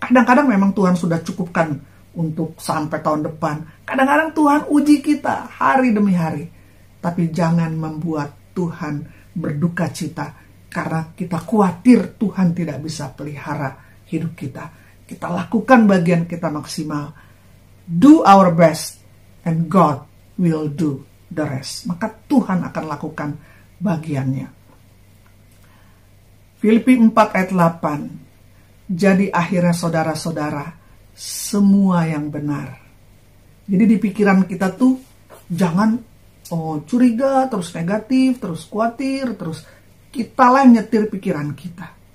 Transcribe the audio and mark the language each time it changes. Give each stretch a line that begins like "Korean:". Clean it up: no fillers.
Indonesian: Kadang-kadang memang Tuhan sudah cukupkan untuk sampai tahun depan. Kadang-kadang Tuhan uji kita hari demi hari. Tapi jangan membuat Tuhan berduka cita karena kita khawatir Tuhan tidak bisa pelihara hidup kita. Kita lakukan bagian kita maksimal.
English: Do our best and God will do the rest.
Indonesian: Maka Tuhan akan lakukan bagiannya. Filipi 4 ayat 8, jadi akhirnya saudara-saudara, semua yang benar. Jadi di pikiran kita tuh, jangan curiga, terus negatif, terus khawatir, terus kitalah nyetir pikiran kita.